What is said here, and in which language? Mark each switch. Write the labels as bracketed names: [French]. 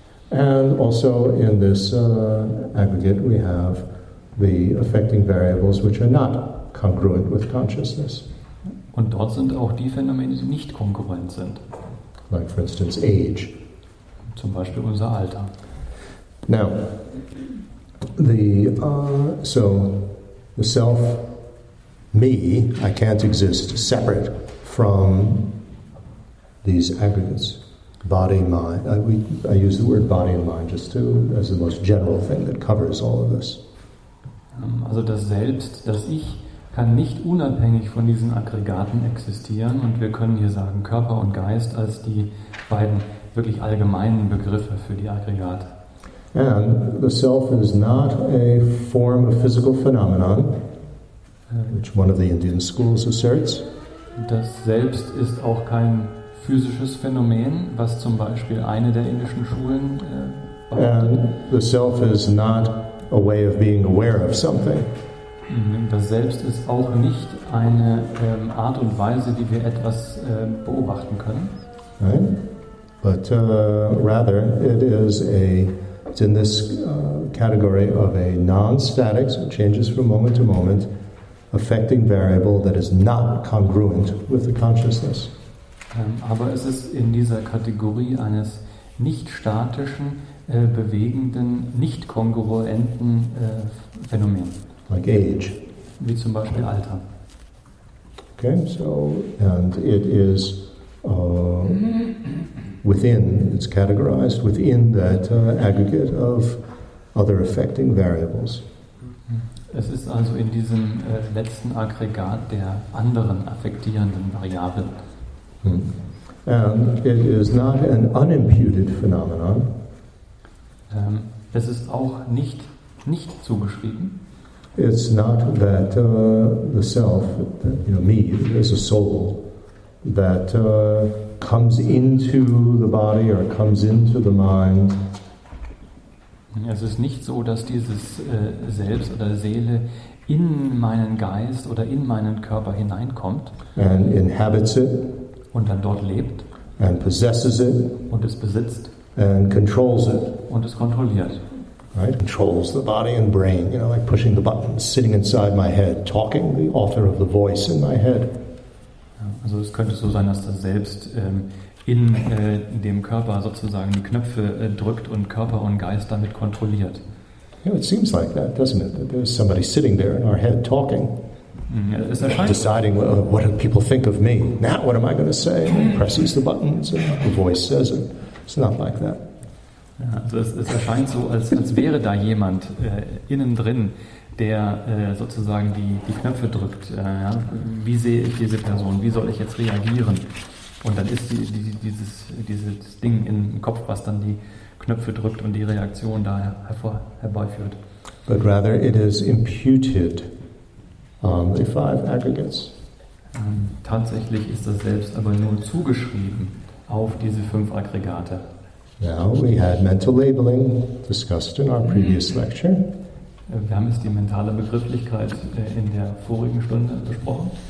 [English] And also in this aggregate we have the affecting variables which are not congruent with consciousness. [German] Und dort sind auch die Phänomene, die nicht kongruent sind. [English] Like for instance age. [German] Zum Beispiel unser Alter. [English] Now, The self, me, I can't exist separate from these aggregates. Body, mind. I use the word body and mind just as the most general thing that covers all of this. [German] Also das Selbst, das Ich, kann nicht unabhängig von diesen Aggregaten existieren, und wir können hier sagen Körper und Geist als die beiden wirklich allgemeinen Begriffe für die Aggregate. [English] And the self is not a form of physical phenomenon, which one of the Indian schools asserts. [German] Das Selbst ist auch kein physisches Phänomen, was zum Beispiel eine der indischen Schulen behauptet. [English] And the self is not a way of being aware of something. [German] Das Selbst ist auch nicht eine Art und Weise, wie wir etwas beobachten können. [English] Right. But rather, it's in this category of a non-static, so it changes from moment to moment, affecting variable that is not congruent with the consciousness. [German] Aber es ist in dieser Kategorie eines nicht statischen, bewegenden, nicht kongruenten Phänomens. [English] Like age. [German] Wie zum Beispiel Alter. [English] Okay, so, and it is within, it's categorized within that aggregate of other affecting variables. [German] Es ist also in diesem letzten Aggregat der anderen affektierenden Variablen. [English] And it is not an unimputed phenomenon. [German] Es ist auch nicht zugeschrieben. [English] It's not that the self, me, as a soul, that comes into the body or comes into the mind. [German] Es ist nicht so, dass dieses Selbst oder Seele in meinen Geist oder in meinen Körper hineinkommt. [English] And inhabits it. [German] Und dann dort lebt. [English] And possesses it. [German] Und es besitzt. [English] And controls it. [German] Und es kontrolliert. [English] Right, controls the body and brain, like pushing the button, sitting inside my head, talking, the author of the voice in my head. [German] Also es könnte so sein, dass das Selbst in dem Körper sozusagen die Knöpfe drückt und Körper und Geist damit kontrolliert. [English] Yeah, it seems like that, doesn't it? That there's somebody sitting there in our head talking. [German] Es erscheint, [English] deciding what do people think of me? Now what am I going to say? And presses the buttons and the voice says it. It's not like that. [German] Ja, also es erscheint so, als wäre da jemand innen drin, der sozusagen die Knöpfe drückt. Wie sehe ich diese Person? Wie soll ich jetzt reagieren? Und dann ist dieses Ding im Kopf, was dann die Knöpfe drückt und die Reaktion da herbeiführt. [English] But rather it is imputed on the five aggregates. [German] Tatsächlich ist das Selbst aber nur zugeschrieben auf diese fünf Aggregate. [English] Now we had mental labeling discussed in our previous lecture. [German] Wir haben jetzt die mentale Begrifflichkeit in der vorigen Stunde besprochen.